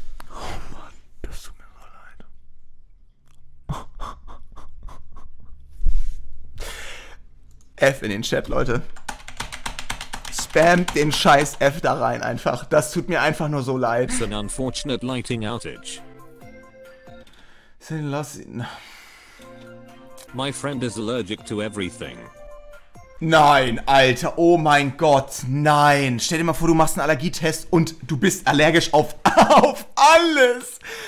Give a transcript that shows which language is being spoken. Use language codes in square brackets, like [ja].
[de] Oh Mann, das tut mir so leid. F in den Chat, Leute. Spammt den scheiß F da rein einfach. Das tut mir einfach nur so leid. [en] It's an unfortunate lighting outage. [de] Sind los. [en] My friend is allergic to everything. [de] Nein, Alter, oh mein Gott, nein. Stell dir mal vor, du machst einen Allergietest und du bist allergisch auf alles.